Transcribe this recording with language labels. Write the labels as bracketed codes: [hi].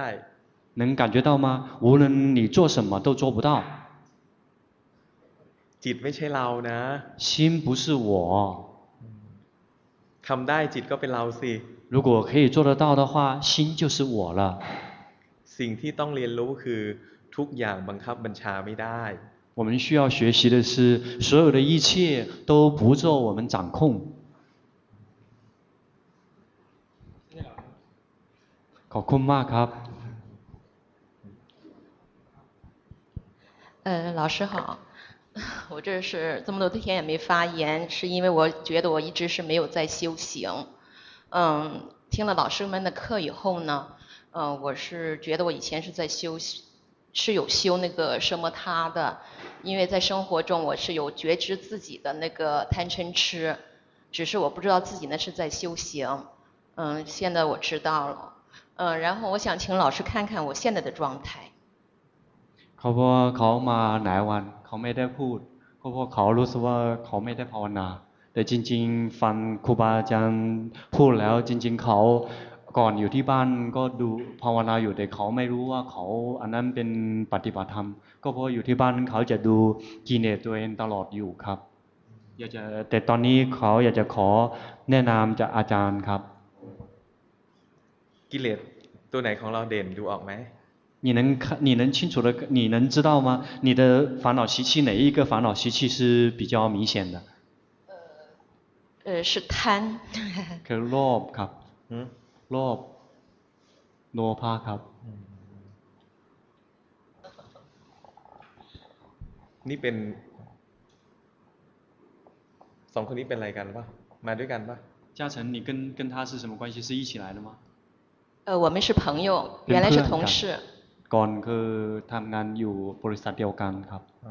[zh] 能感觉到吗无论你做什么都做不到 [th] จิตไม่ใช่เรานะ [zh] 心不是我 [th] ทำได้จิตก็เป็นเราสิ [zh] 如果可以做得到的话心就是我了 [th] สิ่งที่ต้องเรียนรู้คือทุกอย่างบังคับบัญชาไม่ได้ [zh] 我们需要学习的是所有的一切都不受我们掌控 [th] ขอบคุณมากครับ [zh] 老师好我这是这么多天也没发言，是因为我觉得我一直是没有在修行。嗯，听了老师们的课以后呢，我是觉得我以前是在修，是有修那个什么他的，因为在生活中我是有觉知自己的那个贪嗔痴，只是我不知道自己那是在修行。嗯，现在我知道了。嗯，然后我想请老师看看我现在的状态。 [th] เขาบอกเขามาหลายวันเขาไม่ได้พูดก็เพราะเขารู้สึกว่าเขาไม่ได้ภาวนาแต่จริงๆฟังครูบาอาจารย์พูดแล้วจริงๆเขาก่อนอยู่ที่บ้านก็ดูภาวนาอยู่แต่เขาไม่รู้ว่าเขาอันนั้นเป็นปฏิบัติธรรมก็เพราะอยู่ที่บ้านเขาจะดูกิเลสตัวเองตลอดอยู่ครับอยากจะแต่ตอนนี้เขาอยากจะขอแนะนำจากอาจารย์ครับ กิเลสตัวไหนของเราเด่นดูออกไหม [zh] 你能看你能清楚的你能知道吗你的烦恼习气哪一个烦恼习气是比较明显的是贪 [th] คือโลภครับโลภโลภะครับ นี่เป็นสองคนนี้เป็นอะไรกันป่ะมาด้วยกันป่ะ [zh] 嘉诚你跟他是什么关系是一起来的吗我们是朋友原来是同事 [th] ก่อนคือทำงานอยู่บริษัทเดียวกันครับ